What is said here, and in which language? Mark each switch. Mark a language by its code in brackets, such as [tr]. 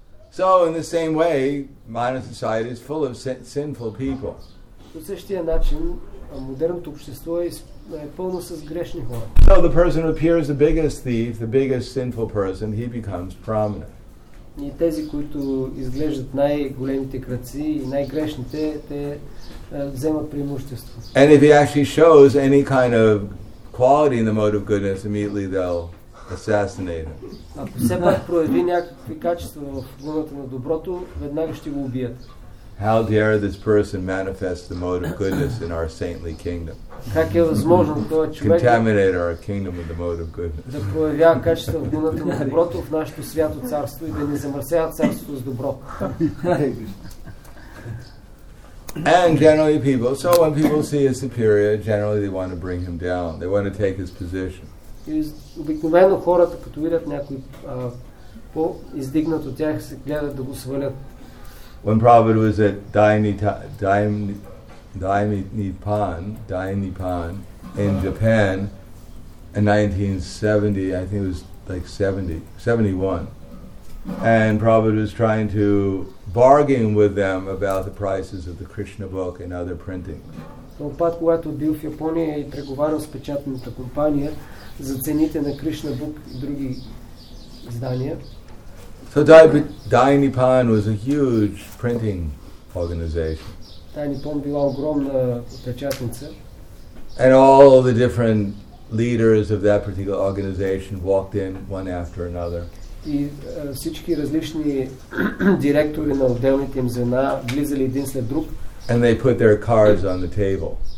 [en] So in the same way, modern society is full of sinful people. [bg] По същия начин, модерното общество е пълно с грешни хора. [en] So the person who appears the biggest thief, the biggest sinful person, he becomes prominent. [bg] И тези, които изглеждат най-големите крадци и най-грешните, те вземат преимущество. [en] And if he actually shows any kind of quality in the mode of goodness, immediately they'll assassinate him. [bg] Ако все пак прояви някакви качества в гуната на доброто, веднага ще го убият. [en] How dare this person manifest the mode of goodness in our saintly kingdom? [bg] Как е възможно този човек [en] contaminate our kingdom with the mode of goodness? [bg] Да проявява качество в гуната на доброто в нашето свято царство и да не замърсява царството с добро. [en] And generally people, so when people see a superior, generally they want to bring him down. They want to take his position. [bg] Обикновено хората, като видят някой по-издигнат от тях, се гледат да го свалят. [en] When Prabhupada was at Dai Nippon in Japan in 1970, I think it was like 71. And Prabhupada was trying to bargain with them about the prices of the Krishna book and other printing. [bg] Прабхупада, когато бил в Япония и преговарял с печатната компания за цените на Krishna book и други издания. [en] So Dai Nippon was a huge printing organization. [bg] Dai Nippon била огромна печатница. [en] And all the different leaders of that particular organization walked in one after another. [bg] И всички различни директори на отделните им звена влизали един след друг. [en] And they put their cards on the table.